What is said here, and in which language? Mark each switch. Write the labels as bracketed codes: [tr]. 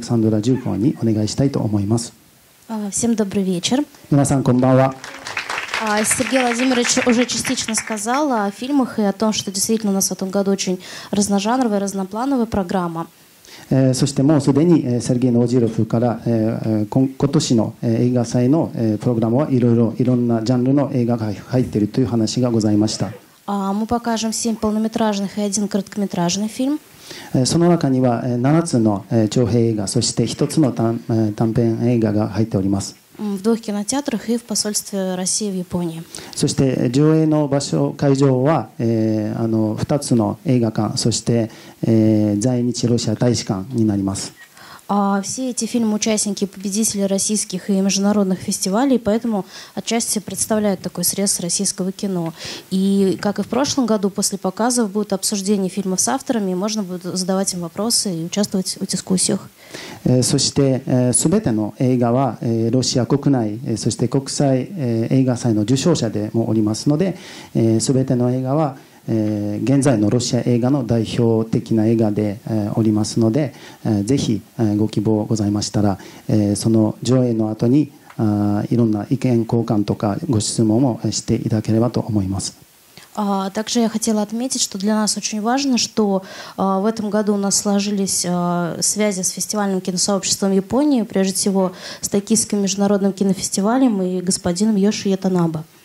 [ja] そしてルスタム・ハムダモフ監督には本日の上映はそのハムダモフのそこのナイバックの映画になりますので、後ほどご挨拶をしていただきたいと思いますが、その前に一言プログラミングディレクターのアレクサンドラ・ジューコワにお願いしたいと思います。 [ru] Всем добрый вечер. [ja] 皆さんこんばんは。 [ru] Сергей Владимирович уже частично сказал о фильмах и о том, что действительно у нас в этом году очень разножанровая, разноплановая программа. [ja] そしてもうすでにSergeyの次郎夫から今年の映画祭のプログラムはいろいろいろんなジャンルの映画が入っているという話がございました。 [ru] Мы покажем 7 полнометражных и 1 короткометражный фильм. [ja] その中には7つの長編映画、そして1つの短編映画が入っております。 [ru] В двух кинотеатрах и в посольстве России в Японии. [ja] そして上映の場所会場は2つの映画館、そして在日ロシア大使館になります。 [ru] Все эти фильмы участники победители российских и международных фестивалей, поэтому отчасти представляют такой срез российского кино. И как и в прошлом году, после показов будут обсуждения фильмов с авторами, и можно будет задавать им вопросы и участвовать в дискуссиях. [ja] そして、すべての映画はロシア国内、そして国際映画祭の受賞者でもおりますので、すべての映画は現在のロシア映画の代表的な映画でおりますので、ぜひご希望ございましたら、その上映の後にいろんな意見交換とかご質問もしていただければと思います。 [ru] Также я хотела отметить, что для нас очень важно, что в этом году у нас сложились связи с фестивальным киносообществом Японии, прежде всего с Токийским международным кинофестивалем и господином Йоши Ятанаба.